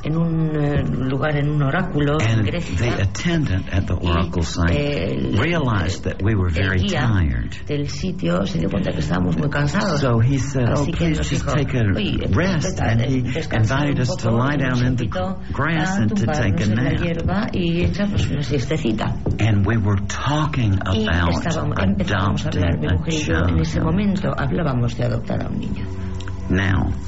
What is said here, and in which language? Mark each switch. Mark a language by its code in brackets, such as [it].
[es] En un lugar, en un oráculo en Grecia. [en] And the attendant at the oracle site realized that we were very tired. [es] Del sitio se dio cuenta que estábamos muy cansados. [en] So he said, oh, please just take a rest. And he invited us to lie down in the grass and to take a nap. And we were talking about adopting a child. Now,